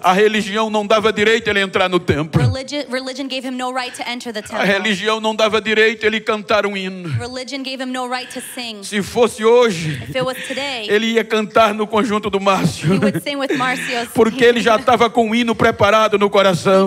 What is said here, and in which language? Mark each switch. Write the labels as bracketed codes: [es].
[pt] A religião não dava direito a ele entrar no templo. [en] Religion gave him no right to enter the temple. [pt] A religião não dava direito a ele cantar hino. [en] Religion gave him no right to sing. [pt] Se fosse hoje, [en] if it was today, [pt] ele ia cantar no conjunto do Márcio. [en] He would sing with Marcio's. [pt] Porque ele já estava com o hino preparado no coração.